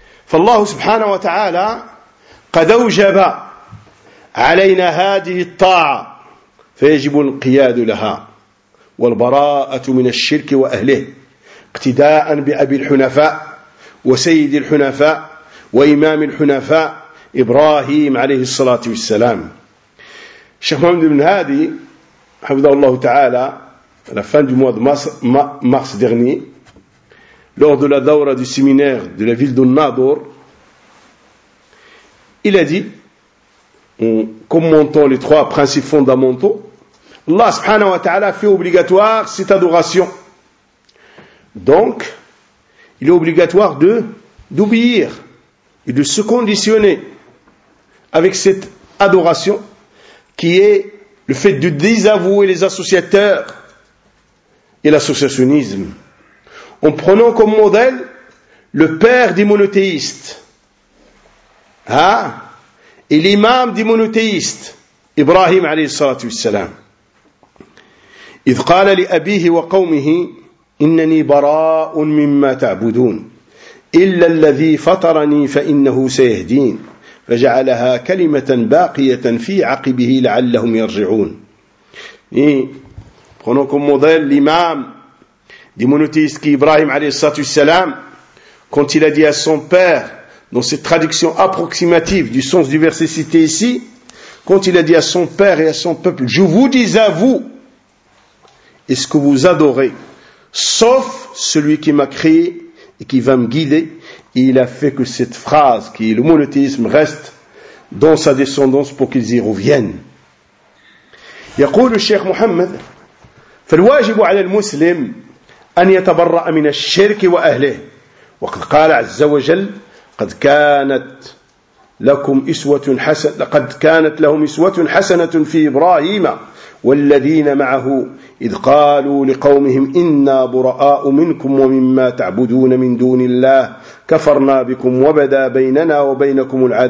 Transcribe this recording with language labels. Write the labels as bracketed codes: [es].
[ar] فالله سبحانه وتعالى قد أوجب علينا هذه الطاعة فيجب القياد لها والبراءة من الشرك وأهله اقتداء بأبي الحنفاء وسيد الحنفاء وإمام الحنفاء إبراهيم عليه الصلاة والسلام. الشيخ محمد بن هادي حفظه الله تعالى [fr] على فان دو مواد مارس ديرني lors de la daura du séminaire de la ville de Nador, il a dit, en commentant les trois principes fondamentaux, Allah subhanahu wa ta'ala fait obligatoire cette adoration. Donc, il est obligatoire d'obéir et de se conditionner avec cette adoration qui est le fait de désavouer les associateurs et l'associationnisme, en prenant comme modèle le père des monothéistes, et l'imam des monothéistes, Ibrahim alayhi salatu wassalam. [ar] إذ قال لأبيه وقومه إنني براء مما تعبدون إلا الذي فطرني فإنه سيهدين فجعلها كلمة باقية في عقبه لعلهم يرجعون. [fr] Prenons comme modèle l'imam des monothéistes qu'Ibrahim alayhi salam, quand il a dit à son père, dans cette traduction approximative du sens du verset cité ici, quand il a dit à son père et à son peuple, je vous dis à vous, est-ce que vous adorez, sauf celui qui m'a créé et qui va me guider, et il a fait que cette phrase, qui est le monothéisme, reste dans sa descendance pour qu'ils y reviennent. [ar] يقول الشيخ محمد فالواجب على المسلم أن يتبرأ من الشرك وأهله وقد قال عز وجل قد كانت لكم إسوة حسنة لقد كانت لهم إسوة حسنة في إبراهيم والذين معه إذ قالوا لقومهم إنا براء منكم ومما تعبدون من دون الله كفرنا بكم وبدا بيننا وبينكم